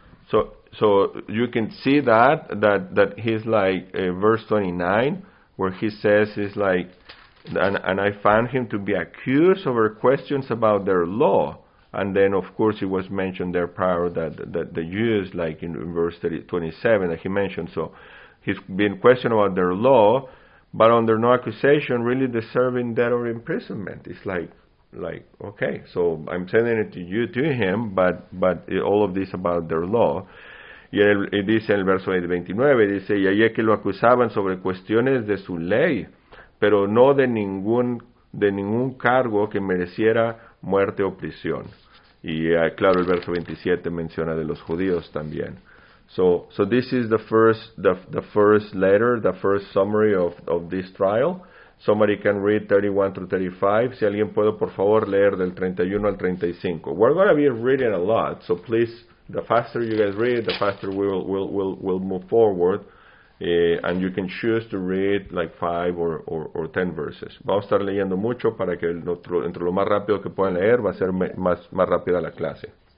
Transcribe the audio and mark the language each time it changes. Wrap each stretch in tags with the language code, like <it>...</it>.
<en>So you can see that he's like verse 29, where he says he's like, and I found him to be accused over questions about their law, and then of course it was mentioned there prior that the Jews, like in verse 27 that he mentioned. So he's been questioned about their law, but under no accusation, really deserving death or imprisonment. It's like okay, so I'm sending it to him, but all of this about their law.</en> <es>Y él dice en el verso 29, dice, y allí que lo acusaban sobre cuestiones de su ley, pero no de ningún cargo que mereciera muerte o prisión. Y claro, el verso 27 menciona de los judíos también.</es> <en>So this is the first letter, the first summary of this trial. Somebody can read 31 through 35.</en> <es>Si alguien puede, por favor, leer del 31 al 35.</es> <en>We're going to be reading a lot, so please, the faster you guys read, the faster we'll move forward. And you can choose to read like 5 or 10 verses.</en> <es>Vamos a estar leyendo mucho para que entre lo más rápido que puedan leer va a ser más rápida la clase.</es>